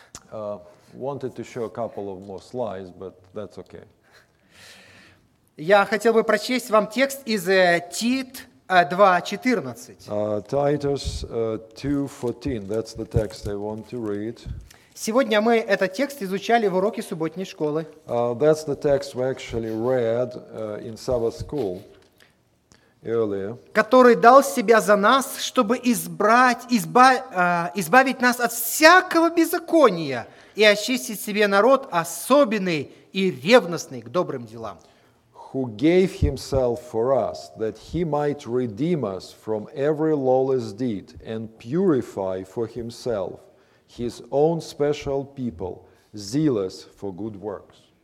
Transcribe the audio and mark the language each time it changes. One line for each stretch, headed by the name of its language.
English: Wanted to show a couple of more slides, but that's okay.
Russian: Я хотел бы прочесть вам текст из Тит 2:14.
English: Titus 2:14. That's the text I want to read.
Russian: Сегодня мы этот текст изучали в уроке субботней школы.
English: That's the text we actually read in Sabbath school. Earlier,
Russian: который дал себя за нас, чтобы избавить нас от всякого беззакония и очистить себе народ особенный и ревностный к добрым делам.
English: Who gave himself for us, that he might redeem us from every lawless deed and purify for himself his own special people, zealous for good works.